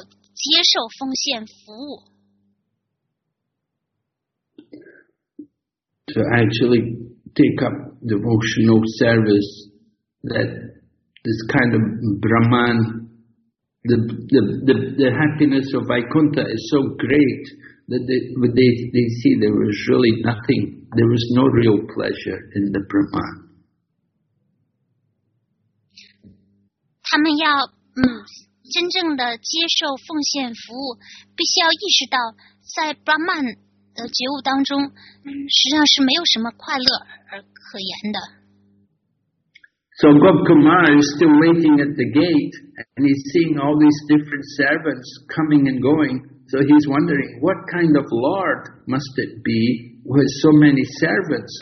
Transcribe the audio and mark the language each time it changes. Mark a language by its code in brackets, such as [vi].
[zh] 为了做到这一点，他们必须要放弃这些非人格的概念，然后接受奉献服务。 [en] To actually take up devotional service, that this kind of Brahman, the happiness of Vaikuntha is so great that they see there was really nothing, there was no real pleasure in the Brahman. [zh] 他们要真正的接受奉献服务，必须要意识到在Brahman 的觉悟当中，实际上是没有什么快乐而可言的。 [en] So Gopkumar is still waiting at the gate, and he's seeing all these different servants coming and going. So he's wondering, what kind of lord must it be who has so many servants?